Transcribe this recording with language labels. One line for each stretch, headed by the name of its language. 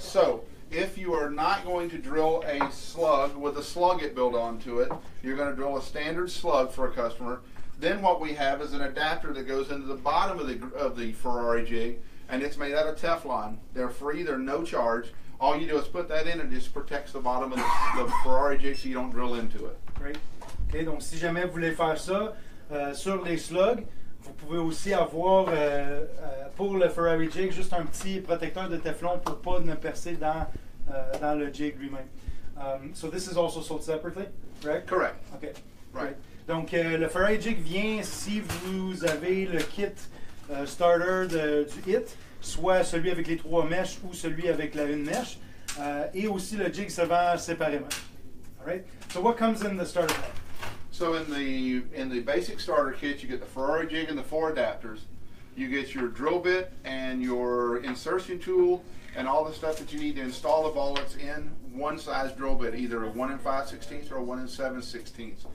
English: So if you are not going to drill a slug with a slug it built onto it, you're going to drill a standard slug for a customer. Then what we have is an adapter that goes into the bottom of the Ferrari jig, and it's made out of Teflon. They're free, they're no charge. All you do is put that in and it just protects the bottom of the Ferrari jig so you don't drill into it. Great.
French: Okay, donc si jamais vous voulez faire ça sur les slugs, vous pouvez aussi avoir pour le Ferrari jig juste un petit protecteur de Teflon pour pas ne percer dans dans le jig lui-même.
English: So this is also sold separately, correct? Correct. Okay. Right.
French: Donc le Ferrari jig vient si vous avez le kit starter du HIT, soit celui avec les trois mèches ou celui avec la une mèche, et aussi le jig se vend séparément.
English: All right. So what comes in the starter pack? So in the basic starter kit, you get the Ferrari jig and the four adapters. You get your drill bit and your insertion tool and all the stuff that you need to install the ball that's in one size drill bit, either a 1 5/16 or a 1 7/16.